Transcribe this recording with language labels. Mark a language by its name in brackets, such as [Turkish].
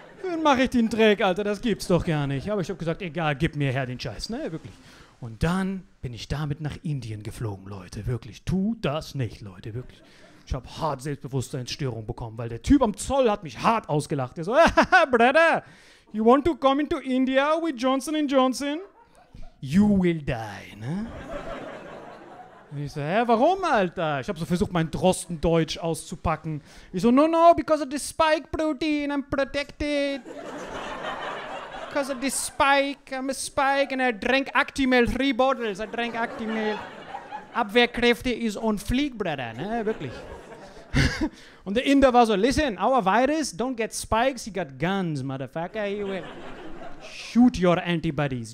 [German] Wann mache ich den Dreck, Alter? Das gibt's doch gar nicht. Aber ich habe gesagt, egal, gib mir her den Scheiß. Ne, wirklich. Und dann bin ich damit nach Indien geflogen, Leute. Wirklich, tu das nicht, Leute, wirklich. Ich habe hart Selbstbewusstseinsstörung bekommen, weil der Typ am Zoll hat mich hart ausgelacht. Der so, [English] Brother, you want to come into India with Johnson & Johnson? You will die, ne? [German] Und ich so, hä, warum, Alter? Ich habe so versucht, mein Drostendeutsch auszupacken. Ich so, [English] no, because of the spike protein, I'm protected. Because of the spike, I'm a spike and I drank Actimel, 3 bottles, I drank Actimel. [German] Abwehrkräfte is on fleek, [English] Brother, [German] ne, wirklich. Und der Inder war so, [English] listen, our virus don't get spikes, he got guns, motherfucker, he will shoot your antibodies.